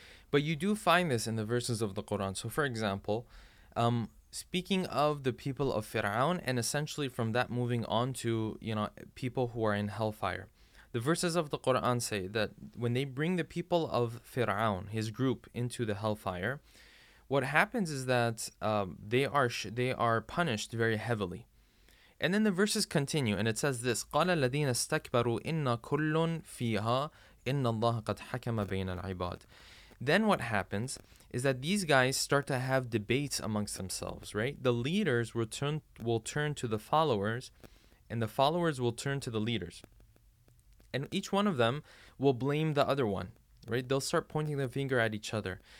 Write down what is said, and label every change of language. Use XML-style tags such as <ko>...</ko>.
<en>But you do find this in the verses of the Quran. So for example, speaking of the people of Fir'aun, and essentially from that moving on to, you know, people who are in hellfire, the verses of the Quran say that when they bring the people of Fir'aun, his group, into the hellfire, what happens is that they are punished very heavily. And then the verses continue, and it says this:</en> <ar>قَالَ الَّذِينَ اسْتَكْبَرُوا إِنَّا كُلٌّ فِيهَا إِنَّ اللَّهَ قَدْ حَكَمَ بَيْنَ الْعِبَادِ.</ar> <en>Then what happens is that these guys start to have debates amongst themselves, right? The leaders will turn to the followers, and the followers will turn to the leaders. And each one of them will blame the other one, right? They'll start pointing their finger at each other.</en>